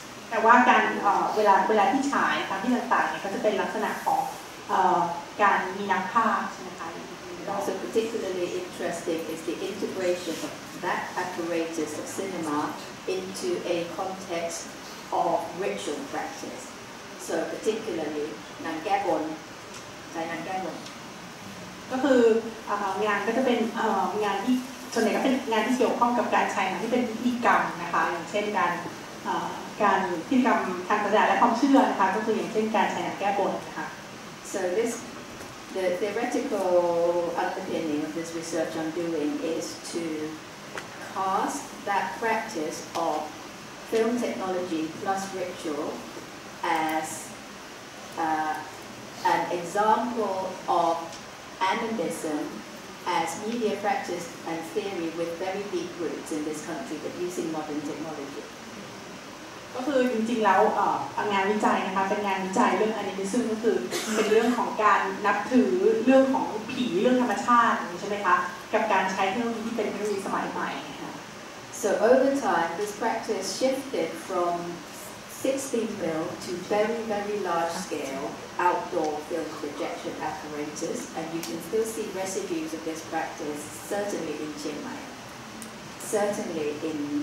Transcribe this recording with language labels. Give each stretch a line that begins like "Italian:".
Thai: แต่ว่าการเวลาที่ฉายตามที่ต่างๆเนี่ยก็จะเป็นลักษณะของการมีนักภาพใช่ไหมคะ
English: Also particularly interesting is the integration of that apparatus of cinema into a context of ritual practice. So particularly Nangabon, Thai Nangabon.
Thai: ก็คืองานก็จะเป็นงานที่ส่วนใหญ่ก็เป็นงานที่เกี่ยวข้องกับการใช้งานที่เป็นพิธีกรรมนะคะอย่างเช่นการพิธีกรรมทางศาสนาและความเชื่อนะคะก็คืออย่างเช่นการใช้งานแก้บนนะคะ
English: So thisThe theoretical underpinning of this research I'm doing is to cast that practice of film technology plus ritual as an example of animism as media practice and theory with very deep roots in this country, but using modern technology.
Thai: ก็คือจริงๆแล้วงานวิจัยนะคะเป็นงานวิจัยเรื่องอนิมิซึมก็คือเป็นเรื่องของการนับถือเรื่องของผีเรื่องธรรมชาติใช่ไหมคะกับการใช้เทคโนโลยีที่เป็นเทคโนโลยีสมัยใหม่ค่ะ
English: So over time this practice shifted from 16mm to very very large scale outdoor film projection apparatus and you can still see residues of this practice certainly in Chiang Mai certainly in